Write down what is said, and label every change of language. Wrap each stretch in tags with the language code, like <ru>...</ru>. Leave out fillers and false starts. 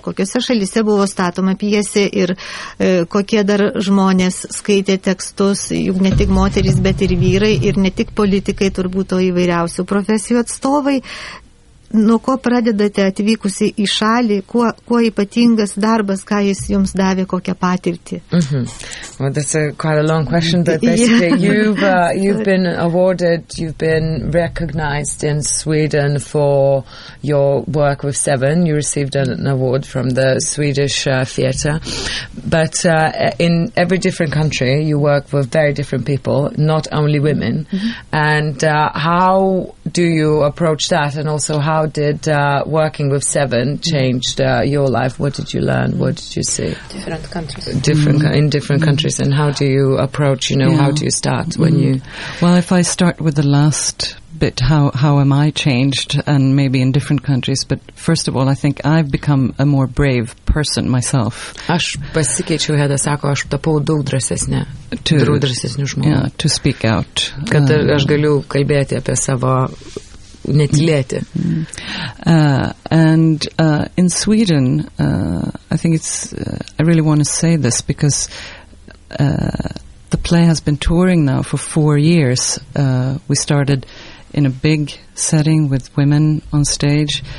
<lt>Kokiose šalyse buvo statoma pjesė ir kokie dar žmonės skaitė tekstus, juk ne tik moterys, bet ir vyrai ir ne tik politikai, turbūt o įvairiausių profesijų atstovai. Nuo ko pradedate atvykusi į šalį, kuo ypatingas darbas, ką jis jums davė, kokią patirtį? Mm-hmm.</lt> <en>Well, that's a quite a long question, but basically you've been awarded, you've been recognized in Sweden for your work with Seven. You received an award from the Swedish theater. But in every different country, you work with very different people, not only women. Mm-hmm. And how do you approach that, and also how did working with Seven changed your life? What did you learn? What did you see? Different countries. In different countries. And how do you approach, how do you start when you... Well, if I start with the last bit, how am I changed, and maybe in different countries. But first of all, I think I've become a more brave person myself.</en> <lt>Aš pasikeičiau, Heda sako, aš tapau daug drąsesnė. Daug drąsesnių žmonių.</lt> <en>Yeah, to speak out.</en> <lt>Kad aš galiu kalbėti apie savo... Netilėti.</lt> <en>In Sweden, I think it's, I really want to say this because the play has been touring now for 4 years. We started in a big setting with women on stage.</en>